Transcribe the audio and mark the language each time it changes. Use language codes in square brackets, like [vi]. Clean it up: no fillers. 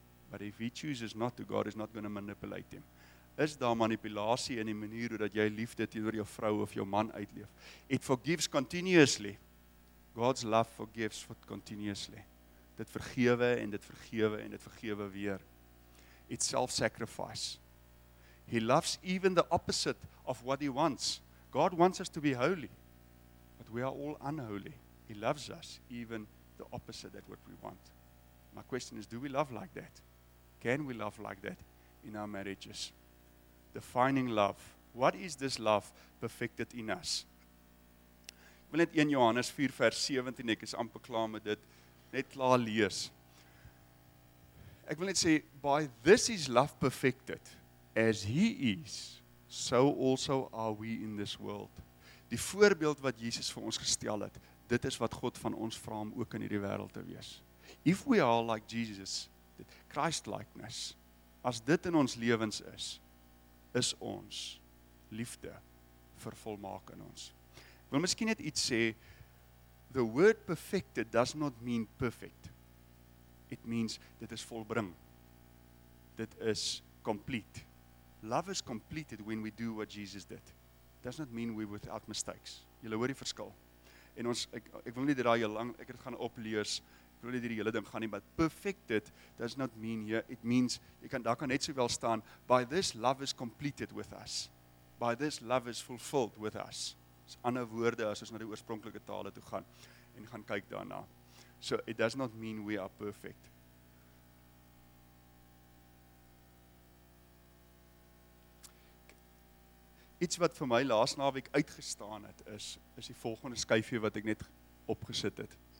[en] But if he chooses not to, God is not going to manipulate him. [af] Is daar manipulasie in die manier hoe dat jy liefde teenoor jou vrou of jou man uitleef? [en] It forgives continuously. God's love forgives continuously. [af] Dit vergewe en dit vergewe en dit vergewe weer. [en] It's self-sacrifice. He loves even the opposite of what he wants. God wants us to be holy, but we are all unholy. He loves us even the opposite that what we want. My question is, do we love like that? Can we love like that in our marriages? Defining love. What is this love perfected in us? [af] Ek wil net 1 Johannes 4 vers 17, ek is amper klaar met dit, net klaar lees. Ek wil net sê, [en] by this is love perfected, as he is, so also are we in this world. [af] Die voorbeeld wat Jesus vir ons gestel het, dit is wat God van ons vra om ook in hierdie wêreld te wees. [en] If we are like Jesus, Christ-likeness, [af] as dit in ons lewens is, is ons liefde vervolmaak in ons. Ek wil miskien net iets sê, [en] the word perfected does not mean perfect. It means [af] dit is volbring. Dit is complete. [en] Love is completed when we do what Jesus did. Does not mean we're without mistakes. [af] Julle hoor die verskil. En ons, ek wil nie dat daar jy lang, ek het gaan oplees, ek wil nie dat die hele ding gaan nie, [en] but perfected does not mean here, it means, [af] jy kan daar kan net so wel staan, [en] by this love is completed with us. By this love is fulfilled with us. [af] Dis ander woorde as ons na die oorspronklike tale toe gaan en gaan kyk daarna. [en] So it does not mean we are perfect. [af] Iets wat vir my laas naweek uitgestaan het, is die volgende skyfie wat ek net opgesit het.